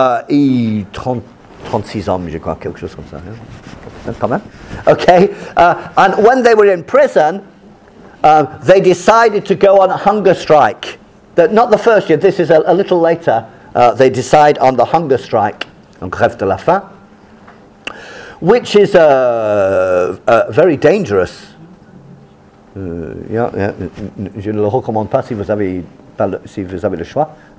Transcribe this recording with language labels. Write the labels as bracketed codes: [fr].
[fr] Et 36 hommes, je crois, quelque chose comme ça. Quand même. Okay. [en] And when they were in prison, they decided to go on a hunger strike. That not the first year. This is a little later. They decide on the hunger strike, on [fr] grève de la faim, [en] which is a very dangerous. [fr] Je ne le recommande pas si vous avez le choix.